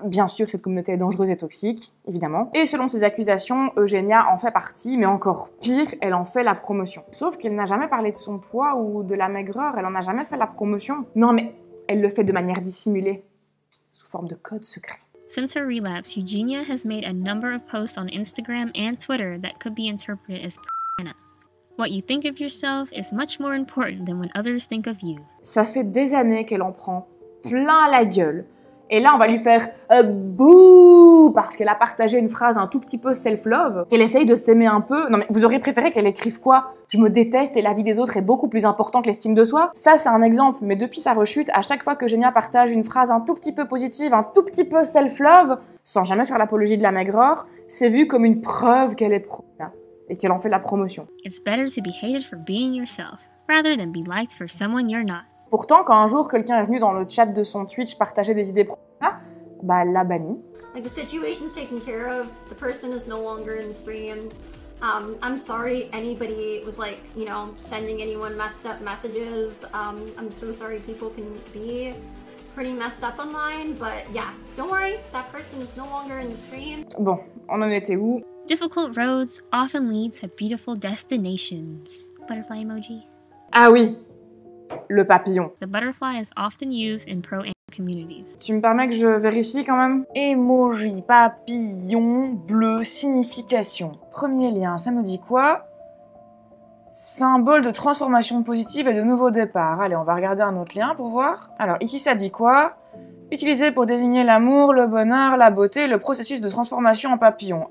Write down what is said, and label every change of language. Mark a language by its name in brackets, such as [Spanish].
[French] Bien sûr, cette communauté est dangereuse et toxique, évidemment. Et selon ses accusations, Eugénia en fait partie, mais encore pire, elle en fait la promotion. Sauf qu'elle n'a jamais parlé de son poids ou de la maigreur, elle en a jamais fait la promotion. Non mais, elle le fait de manière dissimulée, sous forme de code secret. [English] Since her relapse, Eugénia has made a number of posts on Instagram and Twitter that could be interpreted as Anna. What you think of yourself is much more important than what others think of you. [French] Ça fait des années qu'elle en prend plein la gueule. Et là, on va lui faire bouh parce qu'elle a partagé une phrase un tout petit peu self-love, qu'elle essaye de s'aimer un peu. Non, mais vous auriez préféré qu'elle écrive quoi ? Je me déteste et la vie des autres est beaucoup plus importante que l'estime de soi. Ça, c'est un exemple, mais depuis sa rechute, à chaque fois que Jenya partage une phrase un tout petit peu positive, un tout petit peu self-love, sans jamais faire l'apologie de la maigreur, c'est vu comme une preuve qu'elle est pro-là et qu'elle en fait la promotion. [English] It's better to be hated for being yourself, rather than be liked for someone you're not. [French] Pourtant, quand un jour quelqu'un est venu dans le chat de son Twitch partager des idées pro-là, bah elle l'a banni. [English] Like the situation's taken care of, the person is no longer in the stream. I'm sorry anybody was like, you know, sending anyone messed up messages. I'm so sorry people can be pretty messed up online, but yeah, don't worry, that person is no longer in the stream. [French] Bon, on en était où? [English] Difficult roads often lead to beautiful destinations. Butterfly emoji. [French] Ah oui. Le papillon. [English] The butterfly is often used in pro-am communities. [French] Tu me permets que je vérifie quand même ? Emoji papillon bleu signification. Premier lien, ça nous dit quoi ? Symbole de transformation positive et de nouveau départ. Allez, on va regarder un autre lien pour voir. Alors ici, ça dit quoi ? Utilisé pour désigner l'amour, le bonheur, la beauté, le processus de transformation en papillon.